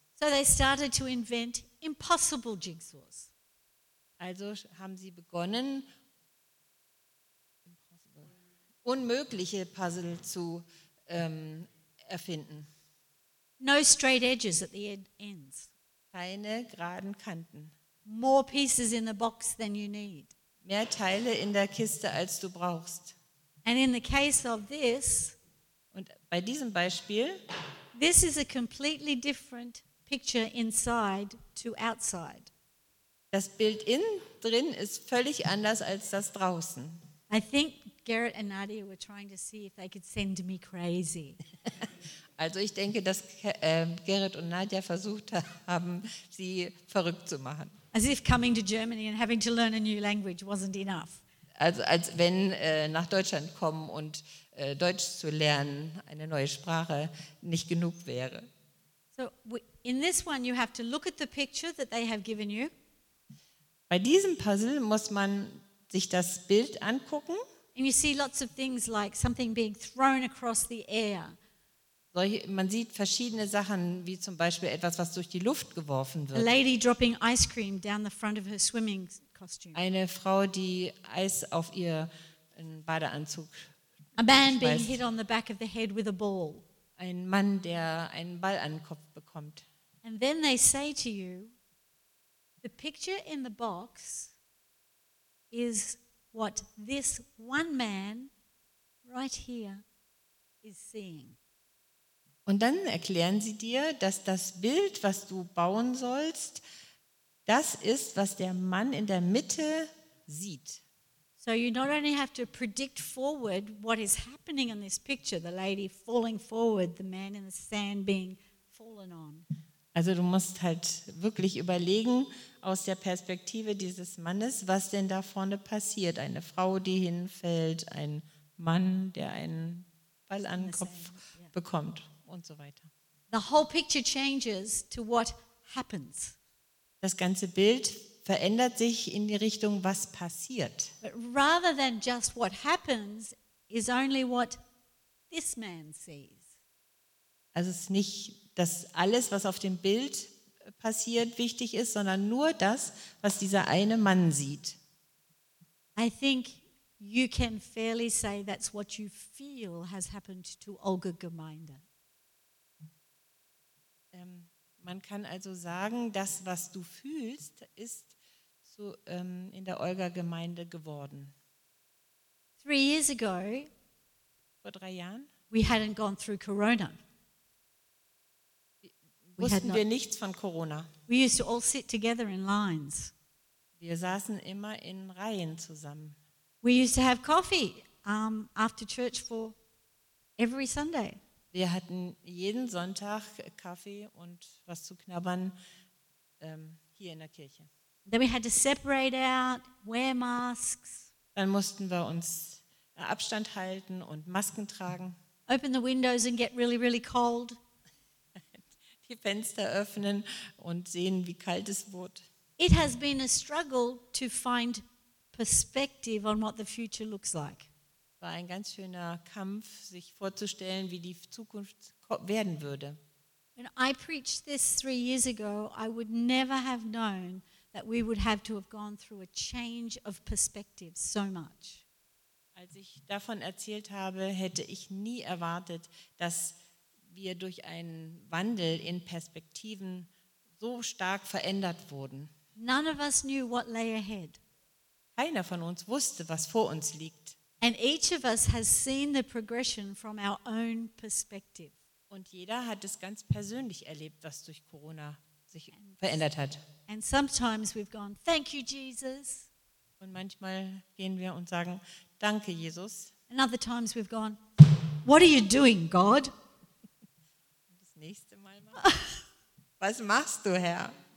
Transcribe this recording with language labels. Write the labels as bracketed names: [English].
[English] So they started to invent impossible jigsaws. [German] Also haben sie begonnen, unmögliche Puzzle zu erfinden. [English] No straight edges at the ends. [German] Keine geraden Kanten. [English] More pieces in the box than you need. [German] Mehr Teile in der Kiste, als du brauchst. [English] And in the case of this, [German] und bei diesem Beispiel, [English] this is a completely different picture inside to outside. [German] Das Bild innen drin ist völlig anders als das draußen. [English] I think Garrett and Nadia were trying to see if they could send me crazy. [German] Also ich denke, dass Garrett und Nadia versucht haben, sie verrückt zu machen. [English] As if coming to Germany and having to learn a new language wasn't enough. [German] Also als wenn nach Deutschland kommen und Deutsch zu lernen, eine neue Sprache, nicht genug wäre. [English] So in this one you have to look at the picture that they have given you. [German] Bei diesem Puzzle muss man sich das Bild angucken. [English] And you see lots of things like something being thrown across the air. [German] Man sieht verschiedene Sachen, wie zum Beispiel etwas, was durch die Luft geworfen wird. [English] A lady dropping ice cream down the front of her swimming costume. [German] Eine Frau, die Eis auf ihr Badeanzug schmeißt. [English] A man being hit on the back of the head with a ball. [German] Ein Mann, der einen Ball an den Kopf bekommt. [English] And then they say to you, the picture in the box is what this one man right here is seeing. [German] Und dann erklären sie dir, dass das Bild, was du bauen sollst, das ist, was der Mann in der Mitte sieht. [English] So you not only have to predict forward what is happening in this picture, the lady falling forward, the man in the sand being fallen on. [German] Also du musst halt wirklich überlegen aus der Perspektive dieses Mannes, was denn da vorne passiert. Eine Frau, die hinfällt, ein Mann, der einen Ball an den Kopf bekommt und so weiter. [English] The whole picture changes to what happens. [German] Das ganze Bild verändert sich in die Richtung, was passiert. [English] But rather than just what happens, is only what this man sees. [German] Also es ist nicht, dass alles, was auf dem Bild passiert, wichtig ist, sondern nur das, was dieser eine Mann sieht. [English] I think you can fairly say that's what you feel has happened to Olga Gemeinde. [German] Man kann also sagen, das, was du fühlst, ist zu, in der Olga-Gemeinde geworden. [English] 3 years ago, [German] vor 3 Jahren, [English] we hadn't gone through Corona. [German] Wussten wir nichts von Corona. [English] We used to all sit together in lines. [German] Wir saßen immer in Reihen zusammen. [English] We used to have coffee after church for every Sunday. [German] Wir hatten jeden Sonntag Kaffee und was zu knabbern hier in der Kirche. [English] Then we had to separate out, wear masks. [German] Dann mussten wir uns Abstand halten und Masken tragen. [English] Open the windows and get really, really cold. [German] Die Fenster öffnen und sehen, wie kalt es wird. [English] It has been a struggle to find perspective on what the future looks like. [German] War ein ganz schöner Kampf, sich vorzustellen, wie die Zukunft werden würde. [English] When I preached this 3 years ago, I would never have known that we would have to have gone through a change of perspective so much. [German] Als ich davon erzählt habe, hätte ich nie erwartet, dass wir durch einen Wandel in Perspektiven so stark verändert wurden. [English] None of us knew what lay ahead. [German] Keiner von uns wusste, was vor uns liegt. [English] And each of us has seen the progression from our own perspective. [German] Und jeder hat es ganz persönlich erlebt, was durch Corona sich verändert hat. [English] And sometimes we've gone, thank you, Jesus. [German] Und manchmal gehen wir und sagen, danke, Jesus. [English] And other times we've gone, what are you doing, God? [German] Und das nächste Mal, was machst du, Herr?